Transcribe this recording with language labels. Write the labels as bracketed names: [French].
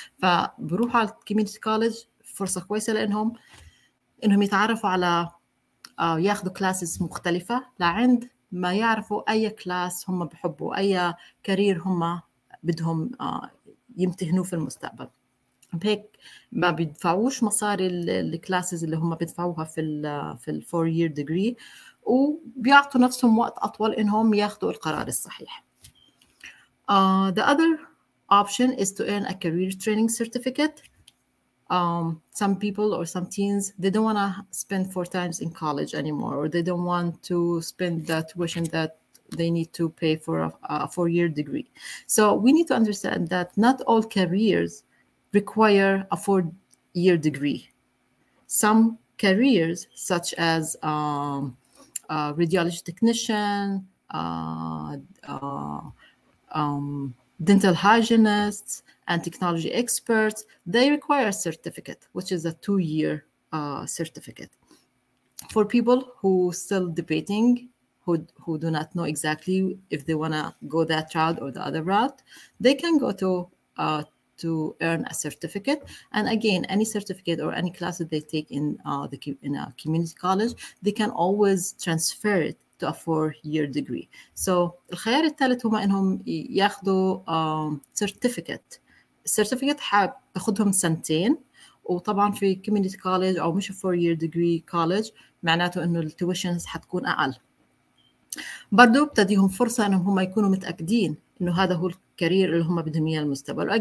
[Arabic] فبروحوا على community college فرصة كويسة لإنهم إنهم يتعرفوا على ياخذوا classes مختلفة لعند ما يعرفوا أي كلاس هم بحبوا, أي كارير هم بدهم يمتهنوا في المستقبل. بهيك ما بيدفعوش مصاري الكلاسز اللي هم بيدفعوها في الفور يير ديجري, وبيعطوا نفسهم وقت أطول إنهم ياخذوا القرار الصحيح. [English] The other option is to earn a career training certificate. Some people or some teens, they don't want to spend four times in college anymore, or they don't want to spend that tuition that they need to pay for a four-year degree. So we need to understand that not all careers require a four-year degree. Some careers, such as a radiology technician, dental hygienists, and technology experts, they require a certificate, which is a two-year certificate. For people who are still debating, who do not know exactly if they want to go that route or the other route, they can go to earn a certificate. And again, any certificate or any class that they take in a community college, they can always transfer it to a four-year degree. [Arabic] So الخيار الثالث هما إنهم ياخدوا certificate. Certificate حاخدهم سنتين, وطبعا في community college أو مش [English] a four-year degree college [Arabic] معناته إنه التويشنز حتكون أقل. برضو بتديهم فرصة إنهم هما يكونوا متأكدين إنه هذا هو الكارير اللي هما بدهم إياه المستقبل.